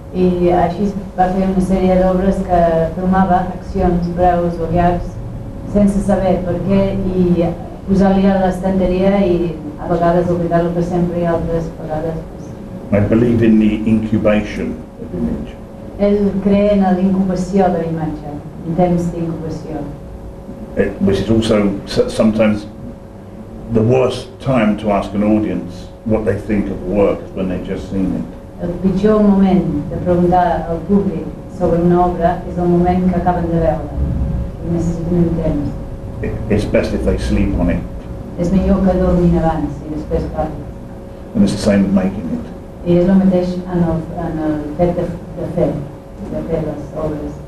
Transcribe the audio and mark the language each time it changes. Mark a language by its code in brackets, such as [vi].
[ca] I així va fer una sèrie d'obres que filmava, accions breus o llargs, sense saber per què, i posar-li a l'estanteria i a vegades oblidar-lo per sempre i altres vegades. [en] I believe in the incubation of image. [ca] Ell crea en l'incubació de la imatge, en temps d'incubació. [en] Which is also sometimes the worst time to ask an audience what they think of work when they've just seen it. [ca] El pitjor moment de preguntar al públic sobre una obra és el moment que acaben de veure. Necessiten un temps. [en] It's best if they sleep on it. [ca] És millor que dormin abans i després parlin. [en] And it's the same with making it. [ca] I és el mateix en el fet de fer les obres.